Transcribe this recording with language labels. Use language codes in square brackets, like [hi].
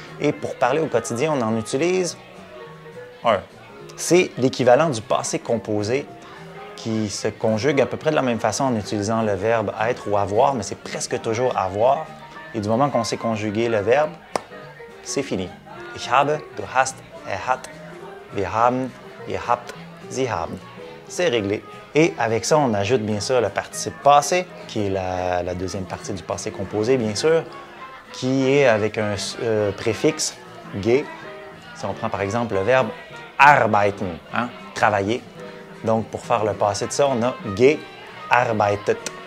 [fr] Et pour parler au quotidien, on en utilise 1. C'est l'équivalent du passé composé qui se conjugue à peu près de la même façon en utilisant le verbe être ou avoir, mais c'est presque toujours avoir. Et du moment qu'on sait conjuguer le verbe, c'est fini. [de] Ich habe, du hast, er hat, wir haben, ihr habt, sie haben. [fr] C'est réglé. Et avec ça, on ajoute bien sûr le participe passé, qui est la deuxième partie du passé composé, bien sûr, qui est avec un préfixe, ge. Si on prend par exemple le verbe arbeiten, hein, travailler. Donc pour faire le passé de ça, on a gearbeitet.